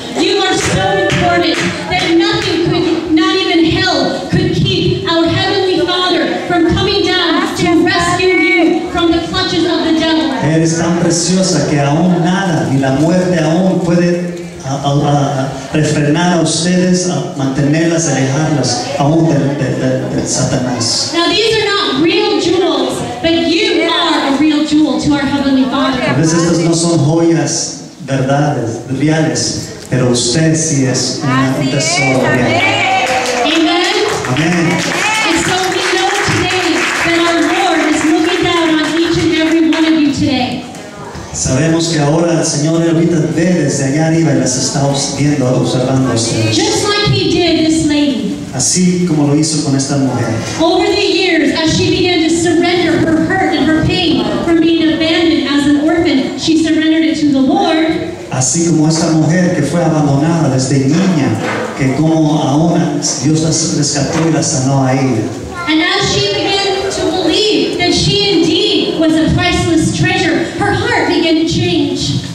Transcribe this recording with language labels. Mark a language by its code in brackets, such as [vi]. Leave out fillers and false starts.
[en] You are so important that nothing could, not even hell, could keep our Heavenly Father from coming down to rescue you from the clutches of the devil. [es] Eres tan preciosa que aún nada, ni la muerte aún puede refrenar a ustedes, a mantenerlas, a alejarlas aún de Satanás. [en] Now these are not real jewels, but you are a real jewel to our Heavenly Father. [es] A veces estas no son joyas verdades, reales, pero usted sí es un tesoro real. [en] Amen. And so we know today that our Lord is looking down on each and every one of you today. [es] Sabemos que ahora el Señor ahorita ve desde allá arriba y las está viendo, observando a ustedes. [en] Just like he did this lady. [es] Así como lo hizo con esta mujer. [en] Over the years, as she began to surrender her hurt and her pain from being abandoned as an orphan, she surrendered it to the Lord. [es] Así como esta mujer que fue abandonada desde niña, que como ahora Dios la rescató y la sanó a ella. [en] And as she began to believe that she indeed was a priceless treasure, her heart began to change.